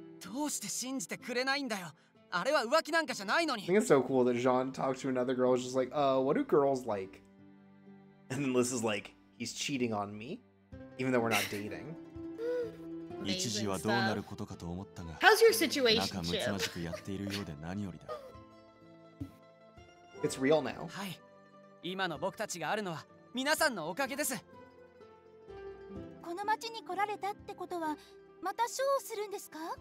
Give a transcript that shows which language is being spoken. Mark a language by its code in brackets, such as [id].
[ja] どうして信じてくれないんだよ。あれは浮気なんかじゃないのに。 [en] I think it's so cool that Jean talked to another girl. She's like, what do girls like? And then Liz is like, he's cheating on me. Even though we're not dating. [ja] 一時はどうなることかと思ったが。 [en] How's your situation? [ja] 仲むつまじくやっているようで何よりだ。 [en] It's real now. [ja] はい。今の僕たちがあるのは皆さんのおかげです。この町に来られたってことは、またショーをするんですか？